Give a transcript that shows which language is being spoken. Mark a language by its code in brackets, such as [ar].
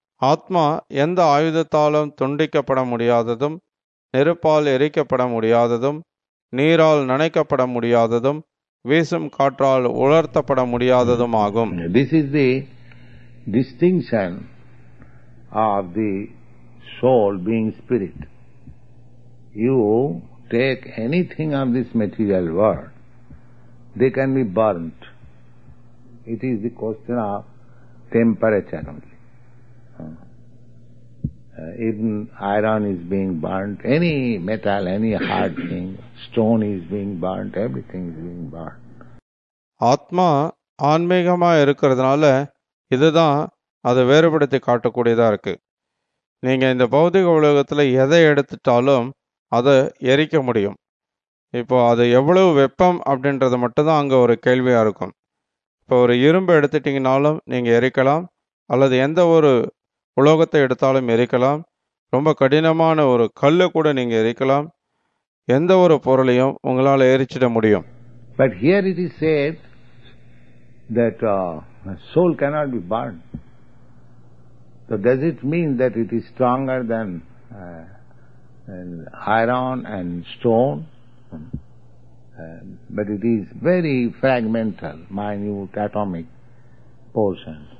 [ta] ஆத்மா எந்த ஆயுதத்தாலும் துண்டிக்கப்பட முடியாததும், நெருப்பால் எரிக்கப்பட முடியாததும், நீரால் நனைக்கப்பட முடியாததும், வீசும் காற்றால் உலர்த்தப்பட முடியாததும் ஆகும். [en] This is the distinction of the soul being spirit. You take anything of this material world, they can be burnt. It is the question of temperature only. Even iron is being burnt, any metal, any hard thing, stone is being burnt, everything is being burnt. [ta] Atma aanmeegama irukkiradanaala idhudan adu verupaduthi kaattakoodiyadha irukku. நீங்கள் இந்த பௌதிக உலகத்தில் எதை எடுத்துட்டாலும் அதை எரிக்க முடியும். இப்போ அது எவ்வளவு வெப்பம் அப்படின்றது மட்டும்தான் அங்கே ஒரு கேள்வியாக இருக்கும். இப்போ ஒரு இரும்பை எடுத்துட்டீங்கனாலும் நீங்கள் எரிக்கலாம், அல்லது எந்த ஒரு உலோகத்தை எடுத்தாலும் எரிக்கலாம், ரொம்ப கடினமான ஒரு கல்லை கூட நீங்கள் எரிக்கலாம், எந்த ஒரு பொருளையும் உங்களால் எரிச்சிட முடியும். [en] But here it is said that soul cannot be burned. So does it mean that it is stronger than iron and stone? But it is very fragmental, minute, atomic portion.